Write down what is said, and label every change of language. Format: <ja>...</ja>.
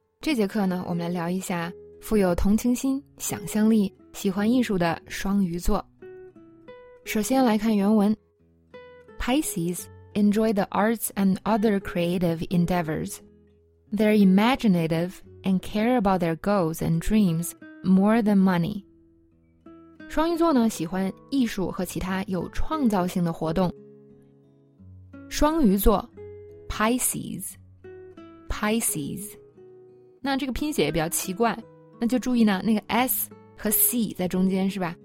<zh>这节课呢，我们来聊一下富有同情心、想象力、喜欢艺术的双鱼座。首先来看原文</zh> <en>：Pisces enjoy the arts and other creative endeavors. They're imaginative and care about their goals and dreams more than money.</en> <zh>双鱼座呢，喜欢艺术和其他有创造性的活动。双鱼座 ，Pisces。 Pisces， 那这个拼写也比较奇怪，那就注意呢，那个 S 和 C 在中间是吧？</zh>